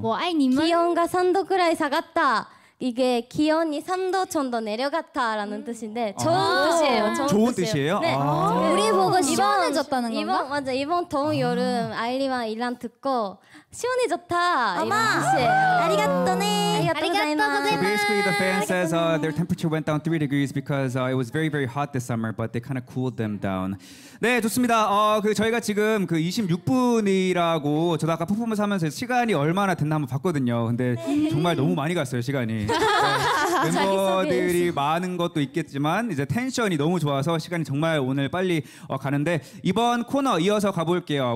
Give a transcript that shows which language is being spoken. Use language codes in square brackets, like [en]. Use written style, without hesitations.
[ko] 뭐 아이님은? 기온가 3도 [ja] くらい [ko] 작았다. 이게 기온이 3도 정도 내려갔다라는 뜻인데 좋은 뜻이에요. 좋은 뜻이에요? 네. 아~ 우리 보고 시원해졌다는 건가? 이번, 맞아. 이번 더운 아~ 여름 아일리와 일란 듣고 시원해졌다 이런 뜻이에요. 아리가또네. 아리가또고자이마. [en] So basically the fans says their temperature went down 3 degrees because it was very very hot this summer but they kind of cooled them down. [ko] 네, 좋습니다. 어, 그 저희가 지금 그 26분이라고 저도 아까 퍼포먼스 하면서 시간이 얼마나 됐나 한번 봤거든요. 근데 네. 정말 너무 많이 갔어요, 시간이. 네, 멤버들이 많은 것도 있겠지만 이제 텐션이 너무 좋아서 시간이 정말 오늘 빨리 어, 가는데 이번 코너 이어서 가볼게요.